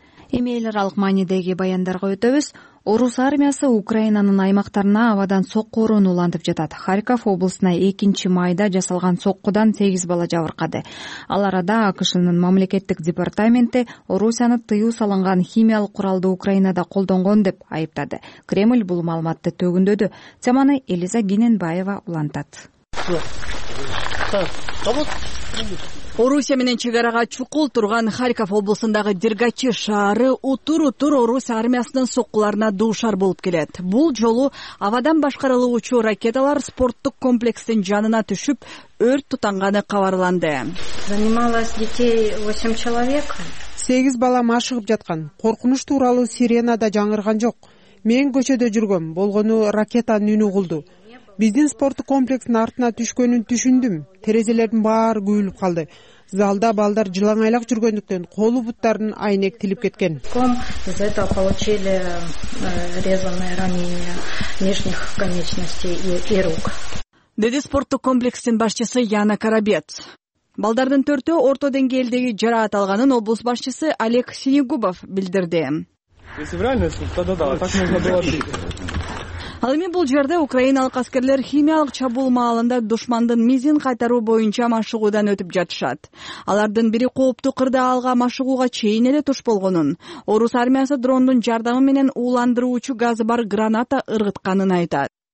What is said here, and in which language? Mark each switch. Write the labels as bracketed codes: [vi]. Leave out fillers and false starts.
[ky] Эми эл аралык маанидеги баяндарга өтөбүз. Орус армиясы Украинанын аймактарына абадан соккуорун улантып жатат. Харьков облусуна 2 майда жасалган соккудан 8 бала жабыркады. Ал арада АКШнын мамлекеттик департаменти Орусияны тыюу салынган химиялык куралды Украинада колдонгон деп айыптады. Кремль бул маалыматты төгүндөдү. Теманы Элиза Гененбаева улантат. Орусия менен чек арага чукул турган Харьков облусундагы Дергачи шаары утур-утур орус армиясынын соккуларына дуушар болуп келет. Бул жолу абадан башкарылуучу ракеталар спорттук комплекстин жанына түшүп, өрт тутанганы кабарланды. [ru] Занималась детей 8 человек. [ky] 8 бала машыгып жаткан. Коркунуч тууралуу сирена да жаңырган жок. Мен көчөдө жүргөм, болгону ракетанын үнү угулду. Биздин спорттук комплекстин артына түшкөнүн түшүндүм. Терезелердин баары күйүлүп калды. Залда балдар жылаңайлак жүргөндүктөн колу буттарын айнек тилип кеткен. [ru] Из этого получили резанные ранения нижних конечностей и рук. [ky] Деди спорттук комплекстин башчысы Яна Карабец. Балдардын төртөө орто деңгээлдеги жараат алганын облус башчысы Олег Синегубов билдирди. [ru] Если в реальности, да, так можно было жить. [ky] Ал эми бул жерде украиналык аскерлер химиялык чабуул маалында душмандын мизин кайтаруу боюнча машыгуудан өтүп жатышат. Алардын бири кооптуу кырдаалга машыгууга чейин эле туш болгонун, орус армиясы дрондун жардамы менен ууландыруучу газы бар граната ыргытканын айтат.